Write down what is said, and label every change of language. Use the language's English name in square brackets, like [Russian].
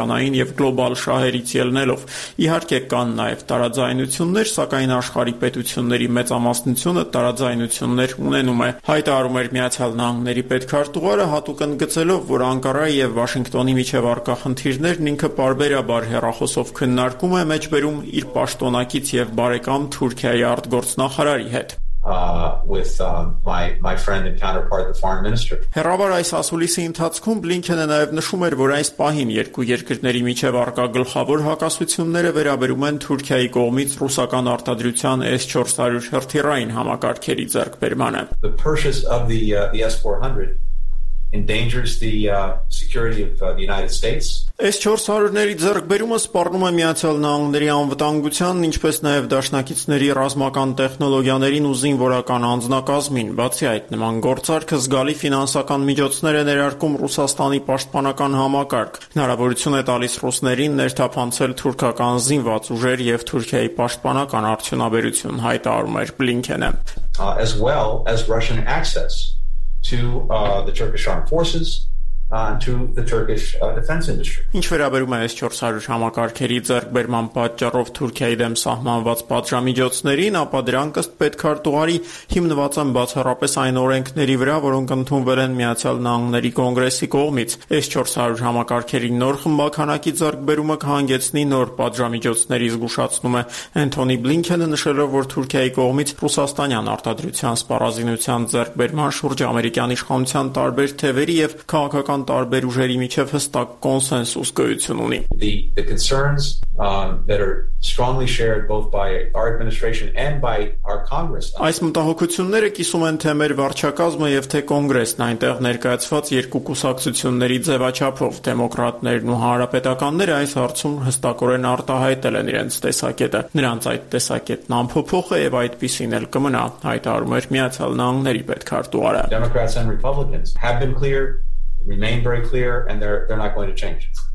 [Armenian] տարածաշրջանային և գլոբալ շահերից ելնելով։ Իհարկե կան նաև տարաձայնություններ, սակայն աշխարհի պետությունների մեծամասնությունը տարաձայնություններ ունենում է, հայտարարում էր Միացյալ Նահանգների պետքարտուղարը, հատուկ ընդգծելով, որ Անկարայի և Վաշինգտոնի միջև առկա խնդիրներն ինքը պարբերաբար հեռախոսով քննարկում է մեջբերում իր պաշտոնակից և բարեկամ Թուրքիայի արտգործնախարարի հետ։ [English] With my friend and counterpart, the foreign minister. [Armenian] Հեռաբար այս ասուլիսի ընթացքում Բլինքենը նաև նշում էր, որ այս պահին երկու երկրների միջև առկա գլխավոր հակասությունները վերաբերում են Թուրքիայի կողմից ռուսական արտադրության S-400 հրթիռային համակարգերի ձեռքբերմանը։ [English] The purchase of the S-400 endangers the security of the United States. [Armenian] S-400-ների ձեռքբերումը սպառնում է Միացյալ Նահանգների անվտանգությանն, ինչպես նաև դաշնակիցների ռազմական տեխնոլոգիաներին ու զինվորական անձնակազմին։ Բացի այդ, նման գործարքը զգալի ֆինանսական միջոցներ է ներարկում Ռուսաստանի պաշտպանական համակարգ, հնարավորություն է տալիս ռուսներին ներթափանցել թուրքական զինված ուժեր և Թուրքիայի պաշտպանական արդյունաբերություն, հայտարարում էր Բլինքենը։ [English] As well as Russian access to the Turkish armed forces and to the Turkish defense industry. [Armenian] Ինչ վերաբերում է S-400 համակարգերի ձեռքբերման պատճառով Թուրքիայի դեմ սահմանված պատժամիջոցներին, ապա դրանք ըստ պետքարտուղարի հիմնված են բացառապես այն օրենքների վրա, որոնք ընդունվել են Միացյալ Նահանգների կոնգրեսի կողմից։ S-400 համակարգերի նոր խմբականակի ձեռքբերումը կհանգեցնի նոր պատժամիջոցների, զգուշացնում է Էնթոնի Բլինքենը, նշելով, որ Թուրքիայի կողմից ռուսաստանյան արտադրության սպառազինության ձեռքբերման շուրջ ամերիկյան իշխանության տարբեր թևերի և քաղաքական տարբեր ուժերի միջև հստակ կոնսենսուս գոյություն ունի։ [English] The concerns that are strongly shared both by our administration and by our Congress. [Armenian] Այս մտահոգությունները կիսում են թե մեր վարչակազմը և թե կոնգրեսն այնտեղ ներկայացված երկու կուսակցությունների ձևաչափով, դեմոկրատներն ու հանրապետականները այս հարցում հստակորեն արտահայտել են իրենց տեսակետը։ Նրանց այդ տեսակետն ամփոփող է և այդպիսին էլ կմնա, հայտարարում էր Միացյալ Նահանգների պետքարտուղարը։ [English] Democrats and Republicans have been clear, remain very clear, and they're not going to change.